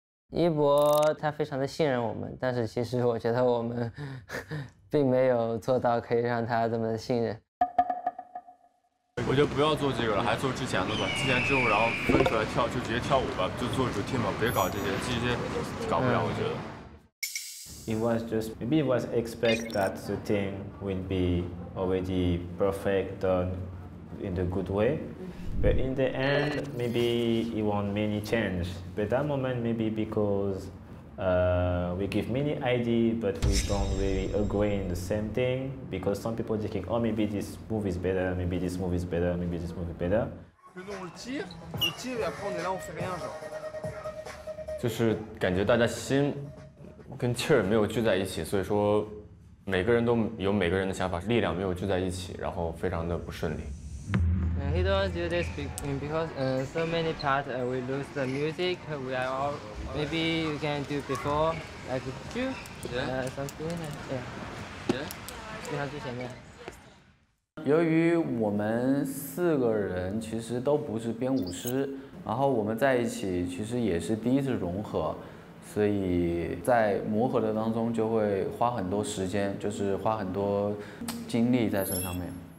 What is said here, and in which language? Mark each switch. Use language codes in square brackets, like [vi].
[zh] 一博他非常的信任我们，但是其实我觉得我们并没有做到可以让他这么信任。我觉得不要做这个了，还做之前的吧。之前之后然后分出来跳就直接跳舞吧，就做主 team 吧，别搞这些搞不了。我觉得 [en] It was just maybe it was expect that the team will be already perfect in the good way. But in the end, maybe it won't many change. But that moment, maybe because we give many ideas, but we don't really agree in the same thing. Because some people just think, oh, maybe this move is better, maybe this move is better, maybe this move is better. We just move it better. [zh] 就是感觉大家心跟气没有聚在一起，所以说每个人都有每个人的想法，力量没有聚在一起，然后非常的不顺利。 [en] He don't do this because so many parts we lose the music. We are all maybe you can do before like two, yeah, something, yeah. [zh] 由于我们四个人其实都不是编舞师，然后我们在一起其实也是第一次融合，所以在磨合的当中就会花很多时间，就是花很多精力在这上面。